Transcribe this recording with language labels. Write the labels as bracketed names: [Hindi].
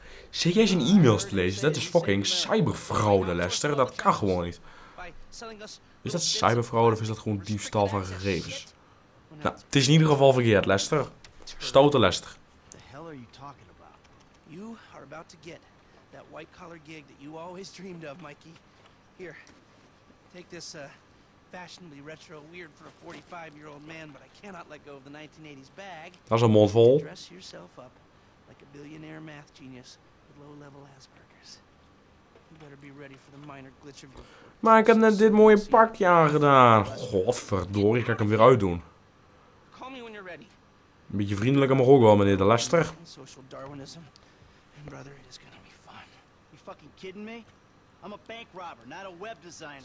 [Dutch] Zit jij zijn e-mails te lezen? Dat is fucking cyberfraude, Leicester. Dat kan gewoon niet. Is dat cyberfraude of is dat gewoon diefstal van gegevens? Nou, het is in ieder geval verkeerd, Lester. [English] Stoten, Lester. What the hell are you talking about? You are about to get that white collar gig that you always dreamed of, Mikey. Here, take this fashionably retro weird for a 45-year-old man, but I cannot let go of the 1980s bag. [Dutch] Dat is een mond vol. [English] Dress yourself up like a billionaire math genius with low-level Asperger's. You better be ready for the minor glitch of your... [Dutch] Maar ik heb net dit mooie pakje aangedaan. Godverdorie, kan ik hem weer uitdoen. [English] Call me when you're ready. [Dutch] Een beetje vriendelijker mag ook wel, meneer de Lester. [English] Social Darwinism. And brother, it is gonna be fun. You fucking kidding me? I'm a bank robber, not a web designer.